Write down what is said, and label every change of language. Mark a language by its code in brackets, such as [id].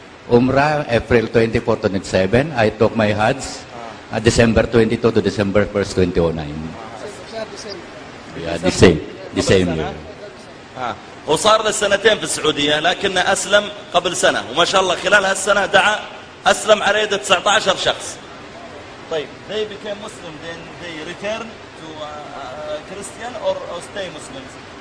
[en] Umrah, April 24 to 27. I took my Hajj December 22 to December 1st, 2009. Yeah, the same year. [ar] وصار لسنتين في السعودية لكن أسلم قبل سنة وما شاء الله خلال هالسنة دعا أسلم على يد 19 شخص. [en] طيب they became Muslim then they return to Christian or stay Muslims?